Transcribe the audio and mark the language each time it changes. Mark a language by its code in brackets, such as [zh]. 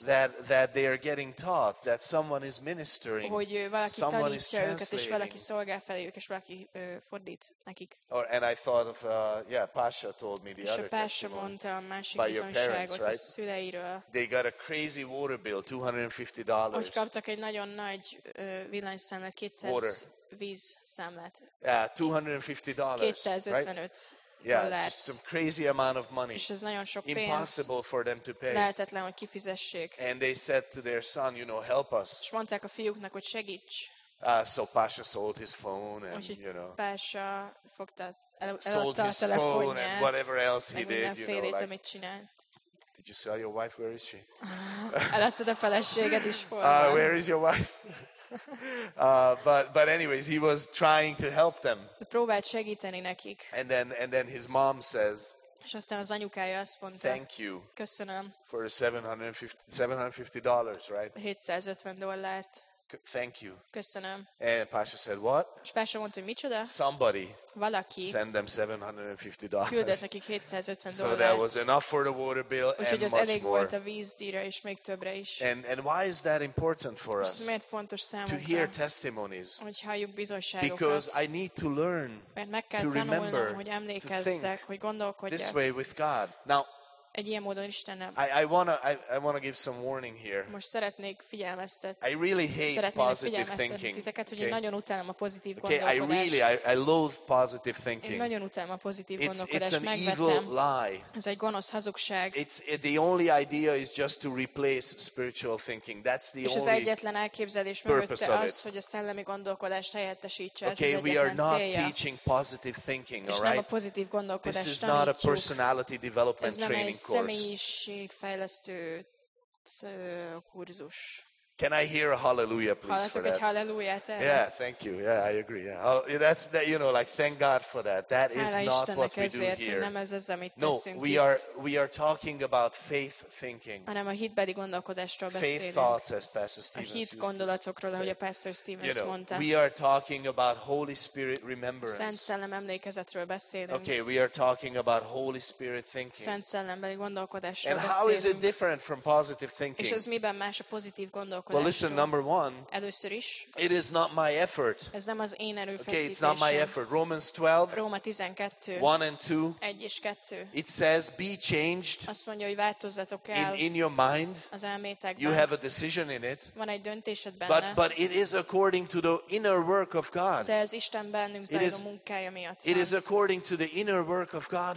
[en] That they are getting taught, that someone is ministering. [hu] Hogy valaki tanítja őket, és valaki szolgál feléjük, és valaki fordít nekik. [en] And I thought of, Pasha told me the [hu] és [en] other [hu] És a Pasha mondta a másik bizonyságot, [en] right? [hu] A szüleiről. [en] They got a crazy water bill, $250. [hu] Hogy kaptak egy nagyon nagy villanyszámlát, 200. [en] Water. [hu] Víz számlát. [en] Yeah, $250. [hu] 255. [en] Right? Yeah, just some crazy amount of money. [hu] És ez nagyon sok pénz. [en] Impossible for them to pay. [hu] Lehetetlen, hogy kifizessék. [en] And they said to their son, you know, help us. [hu] És mondták a fiúknak, hogy segíts. [en] So Pasha sold his phone and, you know. [hu] Pasha fogta, [en] sold his phone and whatever else he did, you know. Like, [hu] amit csinált. [en] Did you sell your wife? Where is she? [hu] Eladtad a feleséged is, hol van? [en] Where is your wife? but anyways, he was trying to help them. [hu] Próbált segíteni nekik. [en] And then his mom says, [hu] és aztán az anyukája azt mondta, [en] thank you. [hu] Köszönöm. [en] For $750, right? [hu] $750. [en] Thank you. [hu] Köszönöm. [en] And Pasha said, what? [hu] És Pasha mondta, micsoda? [en] Somebody. [hu] Valaki. [en] Send them $750. [hu] Küldött nekik $750. [en] So that was enough for the water bill and much more. [hu] Úgyhogy az elég volt a vízdíjra és még többre is. [en] And why is that important for us? [hu] Miért fontos számunkra? [en] To hear testimonies. [hu] Hogy halljuk bizonyságokat. [en] Because I need to learn. [hu] Mert meg kell tanulnom, hogy emlékezzek, hogy gondolkodjak. [en] This way with God. Now. [hu] Egy ilyen módon Istennel. [en] I wanna give some warning here. [hu] Most szeretnék figyelmeztetni. [en] I really hate positive thinking. [hu] Titeket, hogy okay. Én nagyon utálom a pozitív gondolkodást. [en] Okay, I loathe positive thinking. [hu] Én nagyon utálom a pozitív [en] it's [hu] gondolkodást. [en] It's an evil lie. [hu] Ez egy gonosz hazugság. [en] It's the only idea is just to replace spiritual thinking. That's the [hu] és És az egyetlen elképzelés mögötte az, hogy a szellemi gondolkodást helyettesítse. [en] Okay, [hu] ez [en] we are not [hu] célja. [en] Teaching positive thinking, all right? [hu] És nem a pozitív gondolkodást. [en] This [hu] tanítjuk. [en] Is not a personality development training. [hu] Személyiségfejlesztő kurzus. [en] Can I hear a hallelujah, please, for that? Yeah, thank you. Yeah, I agree. Yeah. That's that. You know, like thank God for that. That is not what we do here. [hu] Nem ez az, amit [en] no, we are talking about faith thinking. [hu] Hanem a hitbeli gondolkodásról beszélünk. [en] Faith thoughts, as Pastor Stevens [hu] a hit gondolatokról, ahogy a Pastor Stevens [en] you know, [hu] mondta. [en] We are talking about Holy Spirit remembrance. [hu] Szent Szellem emlékezetről beszélünk. [en] Okay, we are talking about Holy Spirit thinking. [hu] Szent Szellembeli gondolkodásról beszélünk. [en] And how is it different from positive thinking? [hu] És ez miben más a pozitív gondolkodás? gondolkodástól. [en] Well, listen, number one, [hu] először is, [en] it is not my effort. [hu] Ez nem az én erőfeszítésem. [en] Okay, it's not my effort. Romans 12, [hu] Róma 12, [en] 1 and 2, [hu] 1 és 2, [en] it says, be changed, [hu] azt mondja, hogy változzatok el [en] in your mind, [hu] az elmétekben. [en] You have a decision in it, [hu] van egy döntésed benne, [en] but it is according to the inner work of God. [hu] De ez Isten bennünk zajló munkája miatt. [en] It is according to the inner work of God